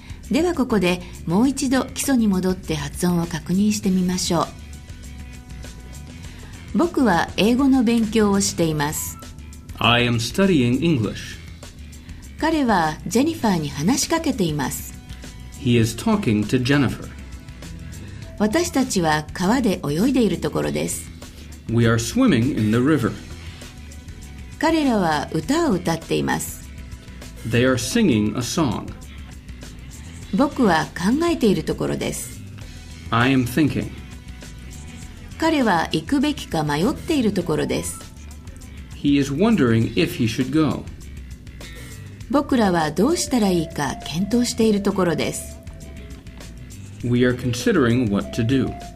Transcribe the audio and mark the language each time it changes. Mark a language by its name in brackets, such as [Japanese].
[Japanese] ではここでもう一度基礎に戻って発音を確認してみましょう。僕は英語の勉強をしています。 [English] I am studying English。 [Japanese] 彼はジェニファーに話しかけています。 [English] He is talking to Jennifer. [Japanese] 私たちは川で泳いでいるところです。 [English] We are swimming in the river. [Japanese] 彼らは歌を歌っています。 [English] They are singing a song. [Japanese] 僕は考えているところです。 [English] I am thinking. [Japanese] 彼は行くべきか迷っているところです。 [English] He is wondering if he should go. [Japanese] 僕らはどうしたらいいか検討しているところです。 [English] We are considering what to do.